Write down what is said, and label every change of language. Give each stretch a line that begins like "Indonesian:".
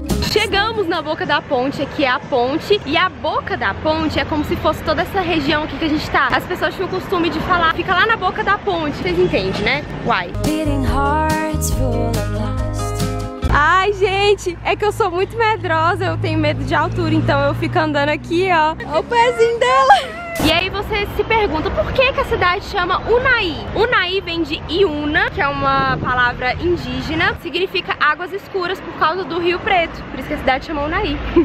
Portuguese: Chegamos na Boca da Ponte, aqui é a ponte. E a Boca da Ponte é como se fosse toda essa região aqui que a gente tá. As pessoas tinham o costume de falar, fica lá na Boca da Ponte. Vocês entendem, né? Why?
English: Beating hearts full of lust.
Portuguese: Ai, gente, é que eu sou muito medrosa, eu tenho medo de altura, então eu fico andando aqui, ó. Olha o pezinho dela! E aí você se pergunta por que que a cidade chama Unaí. Unaí vem de Iuna, que é uma palavra indígena. Significa águas escuras por causa do Rio Preto. Por isso que a cidade chama Unaí.